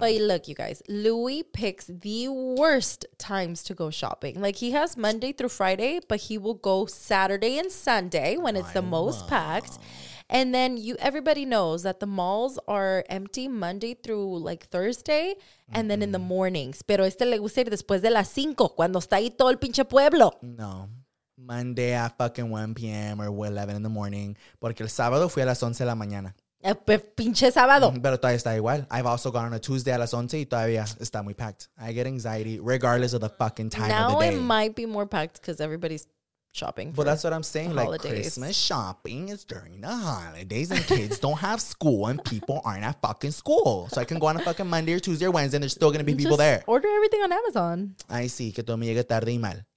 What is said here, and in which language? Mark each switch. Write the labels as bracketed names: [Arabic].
[English] But look, you guys, Louis picks the worst times to go shopping. Like he has Monday through Friday, but he will go Saturday and Sunday when it's the most packed. And then everybody knows that the malls are empty Monday through like Thursday. Mm-hmm. And then in the mornings. [Spanish] Pero este le gusta ir después de las cinco, cuando está ahí todo el pinche pueblo. [English] No. Monday at fucking 1 p.m. or 11 in the morning. [Spanish] Porque el sábado fui a las 11 de la mañana. Pinche sábado. Pero todavía está igual. [English] I've also gone on a Tuesday at 11 [Spanish] y todavía está muy [English] packed. I get anxiety regardless of the fucking time now of the day. Now it might be more packed because everybody's shopping. But that's what I'm saying. Like Christmas shopping is during the holidays and kids don't have school and people aren't at fucking school. So I can go on a fucking Monday or Tuesday or Wednesday and there's still going to be people there. Order everything on Amazon. I see. [Spanish] Que todo me llega tarde y mal.